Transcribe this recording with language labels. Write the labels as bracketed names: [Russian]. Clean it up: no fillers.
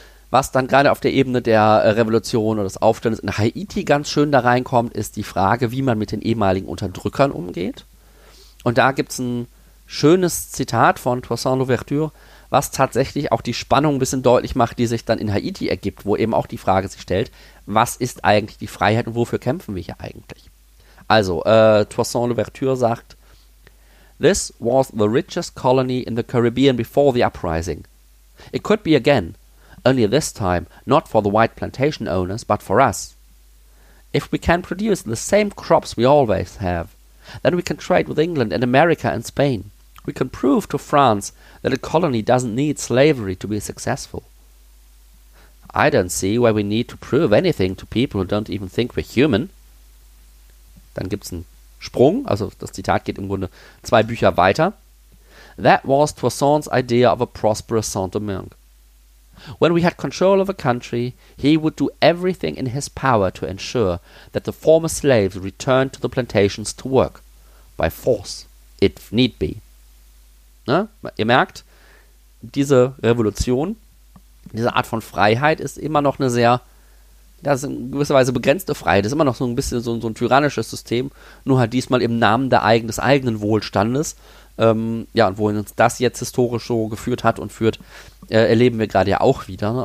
[German] Was dann gerade auf der Ebene der Revolution oder des Aufstandes in Haiti ganz schön da reinkommt, ist die Frage, wie man mit den ehemaligen Unterdrückern umgeht. Und da gibt es ein schönes Zitat von Toussaint Louverture, was tatsächlich auch die Spannung ein bisschen deutlich macht, die sich dann in Haiti ergibt, wo eben auch die Frage sich stellt, was ist eigentlich die Freiheit und wofür kämpfen wir hier eigentlich? Also, Toussaint Louverture sagt, [English] this was the richest colony in the Caribbean before the uprising. It could be again, only this time, not for the white plantation owners, but for us. If we can produce the same crops we always have, then we can trade with England and America and Spain. We can prove to France that a colony doesn't need slavery to be successful. I don't see why we need to prove anything to people who don't even think we're human. [German] Dann gibt's einen Sprung, also das Zitat geht im Grunde zwei Bücher weiter. [English] That was Toussaint's idea of a prosperous Saint-Domingue. When we had control of a country, he would do everything in his power to ensure that the former slaves returned to the plantations to work, by force, if need be. [German] Ne? Ihr merkt, diese Revolution, diese Art von Freiheit ist immer noch eine sehr, das ist in gewisser Weise begrenzte Freiheit, ist immer noch so ein bisschen so ein tyrannisches System, nur halt diesmal im Namen des eigenen Wohlstandes. Ja, und wohin uns das jetzt historisch so geführt hat und führt, erleben wir gerade ja auch wieder. Ne?